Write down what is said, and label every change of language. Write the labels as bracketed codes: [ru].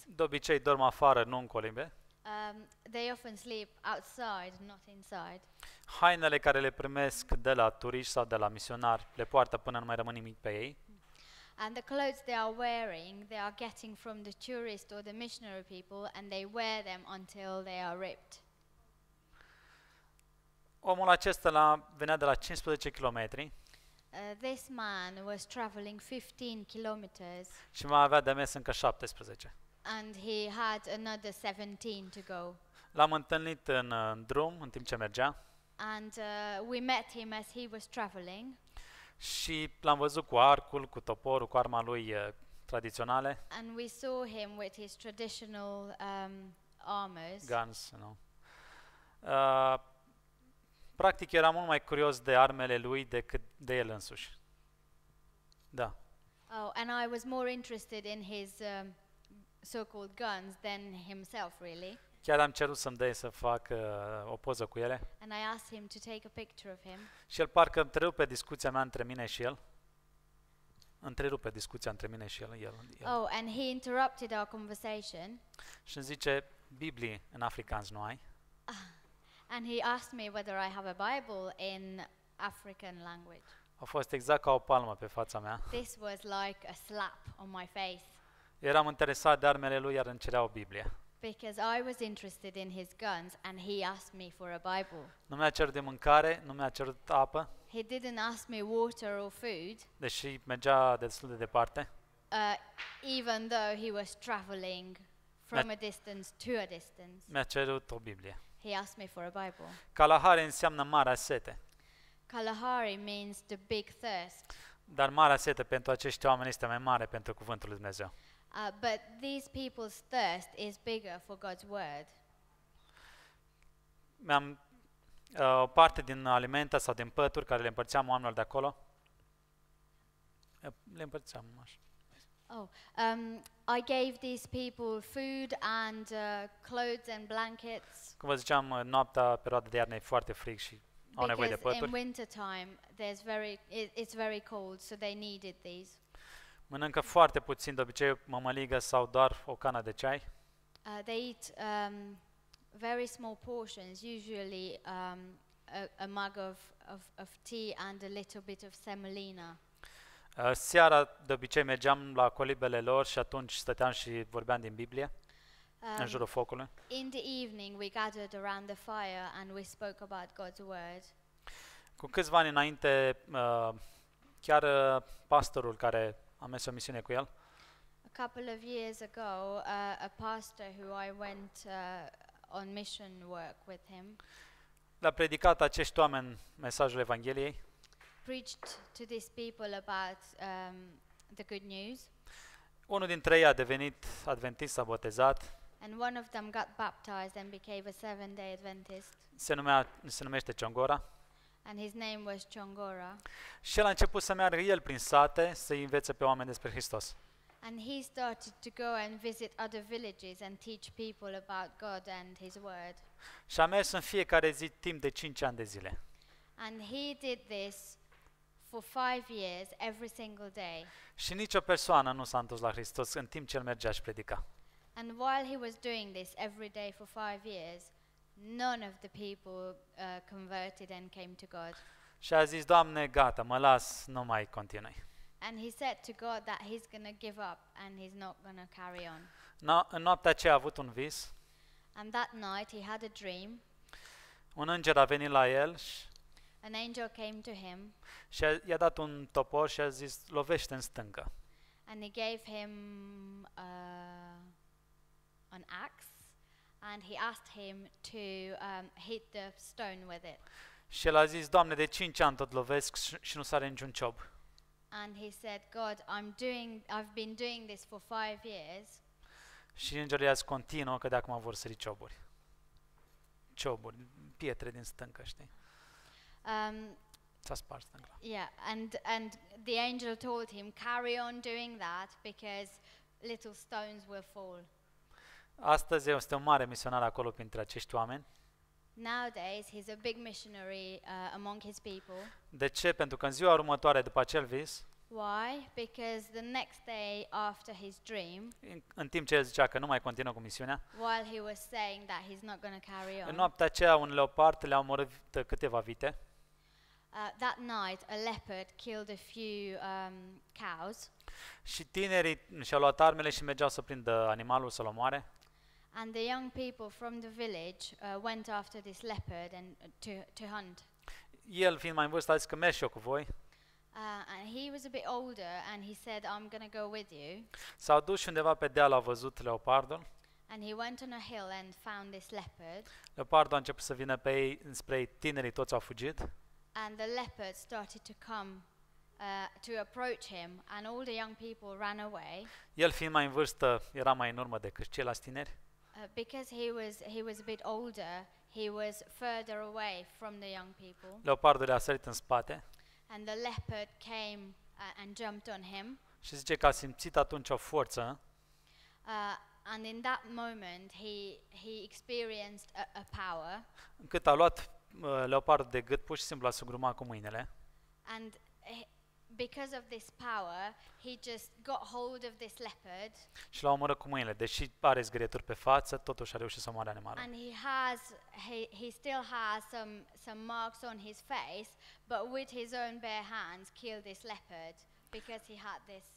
[ro] De obicei dorm afară, nu în colibe. [en] They often sleep outside, not inside. [ro] Hainele care le primesc de la turiști sau de la misionari le poartă până nu mai rămâne nimic pe ei. [en] And the clothes they are wearing, they are getting from the tourist or the missionary people and they wear them until they are ripped. [ro] Omul acesta venea de la 15 kilometri. [en] This man was traveling 15 kilometers. [ro] Și mai avea de mers încă 17. [en] And he had another 17 to go. [ro] L-am întâlnit în drum, în timp ce mergea. [en] And we met him as he was traveling. [ro] Și l-am văzut cu arcul, cu toporul, cu arma lui tradiționale. [en] And we saw him with his traditional armors. Guns, no. [ro] Practic era mult mai curios de armele lui decât de el însuși. Da. [en] Oh, and I was more interested in his so-called guns than himself really. [ro] Chiar am cerut să-mi dea să fac o poză cu ele. [en] And I asked him to take a picture of him. [ro] Și el parcă întrerupe discuția mea între mine și el. Întrerupe discuția între mine și el. [en] Oh, and he interrupted our conversation. [ro] Și îmi zice, Biblie în afrikaans nu ai? [en] And he asked me whether I have a Bible in African language. [ro] A fost exact ca o palmă pe fața mea. [en] This was like a slap on my face. [ro] Eram interesat de armele lui, iar îmi cerea o Biblie. [en] Because I was interested in his guns and he asked me for a Bible. [ro] Nu mi-a cerut de mâncare, nu mi-a cerut apă. [en] He didn't ask me water or food. [ro] Deși mergea destul de departe. [en] Even though he was traveling from a distance to a distance. [ro] Mi-a cerut o Biblie. [en] He asked me for a Bible. [ro] Kalahari înseamnă marea sete. [en] Kalahari means the big thirst. [ro] Dar marea sete pentru acești oameni este mai mare pentru cuvântul lui Dumnezeu. [en] But these people's thirst is bigger for God's word. [ro] Mi-am o parte din alimente sau din pături care le împărțeam oamenilor de acolo. Le împărțeam așa. [en] Oh, I gave these people food and clothes and blankets. [ro] Cum vă ziceam, noaptea, perioada de iarnă e foarte frig și au nevoie de pături. [en] Because in winter time there's it's very cold, so they needed these. [ro] Mănâncă foarte puțin, de obicei mămăligă sau doar o cană de ceai. [en] They eat very small portions, usually a mug of tea and a little bit of semolina. [ro] Seara de obicei mergeam la colibele lor și atunci stăteam și vorbeam din Biblie în jurul focului. [en] In the evening we gathered around the fire and we spoke about God's word. [ro] Cu câțiva ani înainte chiar pastorul care a mers o misiune cu el. [en] A couple of years ago, a pastor who I went on mission work with him. [ro] L-a predicat acești oameni mesajul Evangheliei. [en] Preached to these people about the good news. [ro] Unul dintre ei a devenit adventist, s-a botezat. [en] And one of them got baptized and became a seven-day Adventist. [ro] Se numește Chongora. [en] And his name was Chongora. [ro] Și el a început să meargă el prin sate să învețe pe oameni despre Hristos. [en] And he started to go and visit other villages and teach people about God and his word. [ro] Și a mers în fiecare zi timp de 5 ani de zile. [en] And he did this for 5 years every single day. [ro] Și nicio persoană nu s-a întors la Hristos în timp ce el mergea și predica. [en] And while he was doing this every day for 5 years, none of the people converted and came to God. [ro] Și a zis: Doamne, gata, mă las, nu mai continui. [en] And he said to God that he's going to give up and he's not going to carry on. [ro] În noaptea aceea a avut un vis. [en] And that night he had a dream. [ro] Un înger a venit la el și [en] an angel came to him. [ro] Și i-a dat un topor și a zis: lovește în stânga. [en] And he gave him an axe and he asked him to hit the stone with it. [ro] Și el a zis: Doamne, de 5 ani tot lovesc și nu sare niciun ciob. [en] And he said, God, I've been doing this for 5 years. [ro] Și îngerul i-a zis: continuă, că de acum vor sări cioburi. Cioburi, pietre din stâncă, știi? S-a spart stângla. [en] Yeah, and the angel told him, carry on doing that because little stones will fall. [ro] Astăzi este un mare misionar acolo printre acești oameni. [en] Nowadays he's a big missionary among his people. [ro] De ce? Pentru că în ziua următoare după acel vis. [en] Why? Because the next day after his dream. [ro] În timp ce el zicea că nu mai continuă cu misiunea. [en] While he was saying that he's not going to carry on. [ro] În noaptea aceea un leopard le-a omorât câteva vite. [en] That night a leopard killed a few cows. [ro] Și tinerii și-au luat armele și mergeau să prindă animalul să-l omoare. [en] And the young people from the village went after this leopard and to hunt. [ro] El fiind mai în vârstă a zis că merg și eu cu voi. [en] And he was a bit older and he said I'm going to go with you. [ro] S-au dus și undeva pe deal, a văzut leopardul. [en] And he went on a hill and found this leopard. [ro] Leopardul a început să vină pe ei, înspre ei, tinerii toți au fugit. [en] And the leopard started to come to approach him and all the young people ran away. [ro] El fiind mai în vârstă era mai în urmă decât ceilalți tineri. [en] Because he was a bit older, he was further away from the young people. [ro] Leopardul a sărit în spate. [en] And the leopard came and jumped on him. [ro] Și zice că a simțit atunci o forță. [en] And in that moment he experienced a power. [ro] Încât a luat leopardul de gât, pur și simplu l-a sugrumat cu mâinile. [en] And because of this power, he just got hold of this leopard. [ro] Și l-a omorât cu mâinile, deși are zgârieturi pe față, totuși a reușit să omoare animalul. [en] And he still has some marks on his face, but with his own bare hands killed this leopard because he had this.